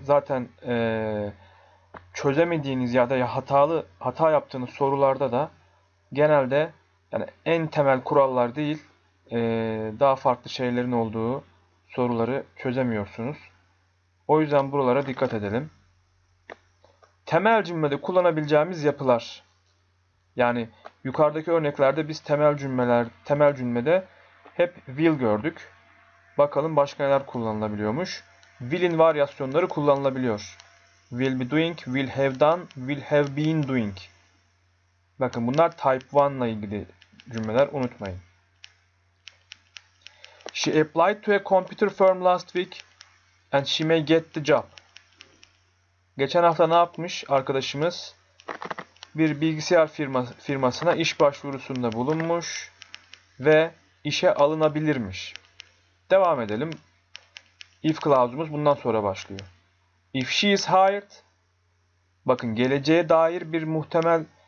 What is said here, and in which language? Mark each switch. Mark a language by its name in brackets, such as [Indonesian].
[Turkish] Zaten çözemediğiniz ya da hata yaptığınız sorularda da genelde yani en temel kurallar değil, daha farklı şeylerin olduğu soruları çözemiyorsunuz. O yüzden buralara dikkat edelim. Temel cümlede kullanabileceğimiz yapılar. Yani yukarıdaki örneklerde biz temel cümlede hep will gördük. Bakalım başka neler kullanılabiliyormuş. Will'in varyasyonları kullanılabiliyor. [English] Will be doing, will have done, will have been doing. [Turkish] Bakın bunlar type 1 ile ilgili cümleler, unutmayın. [English] She applied to a computer firm last week and she may get the job. [Turkish] Geçen hafta ne yapmış arkadaşımız? Bir bilgisayar firmasına iş başvurusunda bulunmuş ve işe alınabilirmiş. Devam edelim. If clause'umuz bundan sonra başlıyor. [English] If she is hired, [Turkish] bakın geleceğe dair bir muhtemel